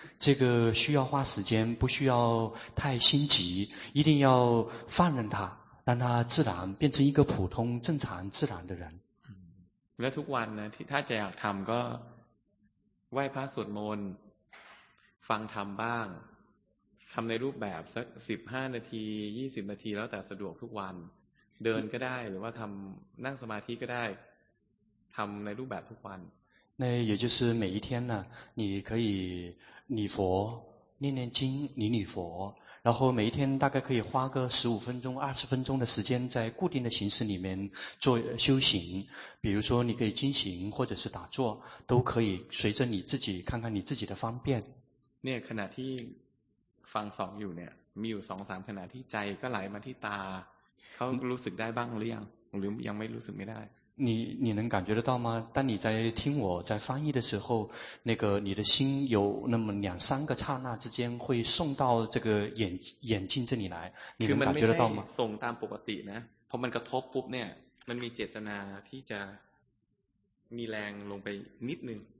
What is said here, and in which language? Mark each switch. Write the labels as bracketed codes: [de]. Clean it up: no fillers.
[zh] 这个需要花时间不需要太心急一定要放任他让他自然变成一个普通正常自然的人 [th] แล้วทุกวันนะถ้าจะอยากทำก็ไหว้พระสวดมนต์ฟังธรรมบ้างทำในรูปแบบสัก15นาที20นาทีแล้วแต่สะดวกทุกวันเดินก็ได้หรือว่าทำนั่งสมาธิก็ได้ทำในรูปแบบทุกวัน [zh] นั่น也就是每一天呢你可以礼佛念念经礼佛然后每一天大概可以花个15分钟20分钟的时间在固定的形式里面做修行比如说你可以精行或者是打坐都可以随着你自己看看你自己的方便 [th] เนี่ยขณะที่ฟังสองอยู่เนี่ยมีอยู่สองสามขณะที่ใจก็ไหลมาที่ตาเขารู้สึกได้บ้างหรือยังหรือยังไม่รู้สึกไม่ได้ [zh] 你能感觉得到吗？当你在听我在翻译的时候，那个你的心有那么两三个刹那之间会送到这个眼睛这里来，你能感觉得到吗？ [th] ส่งตามปกตินะ，พอมันกระทบปุ๊บเนี่ย，มันมีเจตนาที่จะมีแรงลงไปนิดนึง。